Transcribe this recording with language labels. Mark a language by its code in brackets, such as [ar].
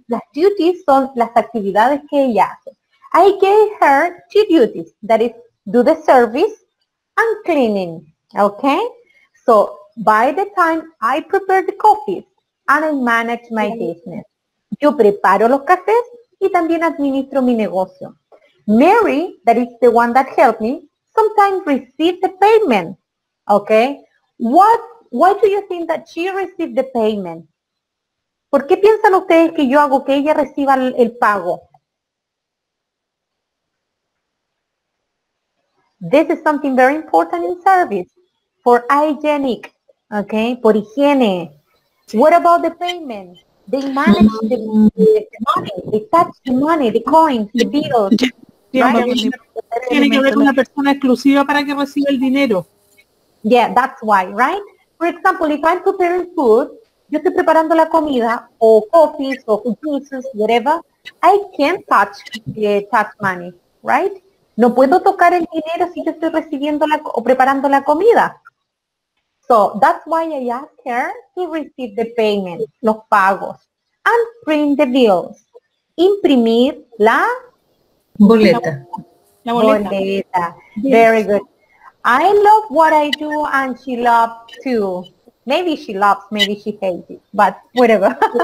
[es] Las duties son las actividades que ella hace. [en] I gave her two duties, that is, do the service and cleaning. Okay? So, by the time I prepare the coffee, and I manage my business. [es] Yo preparo los cafés y también administro mi negocio. [en] Mary, that is the one that helped me, sometimes received the payment. Okay? Why do you think that she received the payment? [es] ¿Por qué piensan ustedes que yo hago que ella reciba el pago? [en] This is something very important in service. For hygienic, okay? [es] Por higiene. [en] What about the payment? They manage the money, they touch the money, the coins, the bills. [es] Tiene que haber una persona exclusiva para que reciba el dinero. [en] Yeah, that's why, right? For example, if I'm preparing food, [es] yo estoy preparando la comida, [en] o coffees, o juices, whatever, I can't touch the tax money, right? [es] No puedo tocar el dinero si yo estoy recibiendo la, o preparando la comida. [en] So that's why I ask her to receive the payment, [es] los pagos, [en] and print the bills. [es] Imprimir la boleta. La boleta. Boleta. [en] Yes. Very good. I love what I do and she loves too. Maybe she loves, maybe she hates it, but whatever.